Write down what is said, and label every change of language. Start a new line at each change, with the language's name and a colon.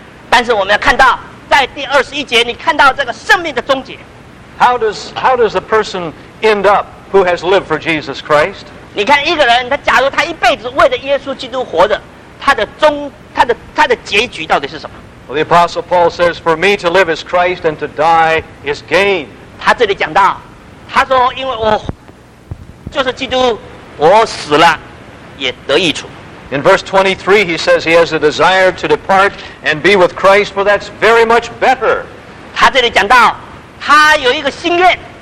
Chinese: 但是我们要看到，在第21节，你看到这个生命的终结。
English: How does the person end up? Who has lived for Jesus Christ?
Chinese: 你看一个人，他假如他一辈子为了耶稣基督活着，他的结局到底是什么？
English: Well, the Apostle Paul says, "For me to live is Christ, and to die is gain."
Chinese: 他这里讲到，他说，因为我就是基督，我死了也得益处。
English: In verse 23, he says he has a desire to depart and be with Christ, for that's very much better.
Chinese: 他这里讲到，他有一个心愿。